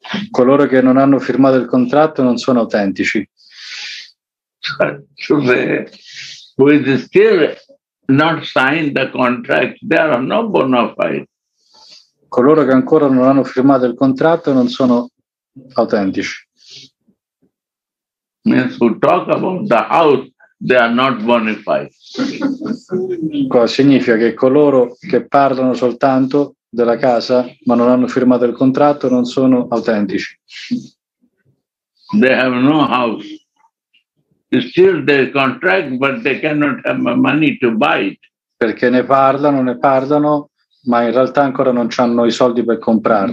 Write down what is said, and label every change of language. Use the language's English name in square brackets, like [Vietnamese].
[Italian] Coloro che non hanno firmato il contratto non sono autentici. [English] Who is still not signed the contract, they are not bona fide. [Italian] Coloro che ancora non hanno firmato il contratto non sono autentici. [English] Means who talk about the house, they are not bona fide. [Italian] Cosa significa? Che coloro che parlano soltanto della casa ma non hanno firmato il contratto non sono autentici. [English] They have no house. It's still their contract, but they cannot have money to buy it. [Italian] Perché ne parlano, ma in realtà ancora non hanno i soldi per comprarlo.